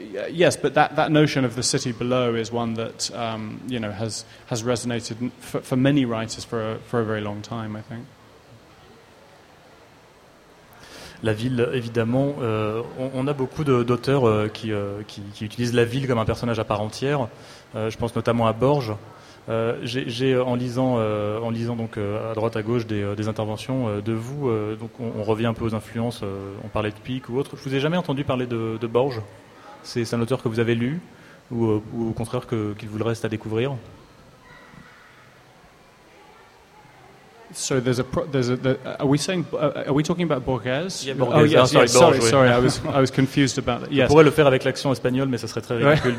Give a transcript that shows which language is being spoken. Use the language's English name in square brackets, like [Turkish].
[English] Yes, but that notion of the city below is one that has resonated for many writers for a very long time, I think. [French] La ville, évidemment, on a beaucoup d'auteurs qui utilisent la ville comme un personnage à part entière. Je pense notamment à Borges. J'ai en lisant donc à droite à gauche des interventions de vous, donc on revient un peu aux influences. On parlait de Pic ou autre. Je vous ai jamais entendu parler de Borges. C'est un auteur que vous avez lu ou au contraire qu'il vous le reste à découvrir? [English] So are we talking about Borges? Yeah, Borges. Oh, yes, yes, sorry, Borges, sorry, [French] oui. [English] Sorry, I was confused about that. Yes. [French] On pourrait le faire avec l'accent espagnol, mais ça serait très ridicule.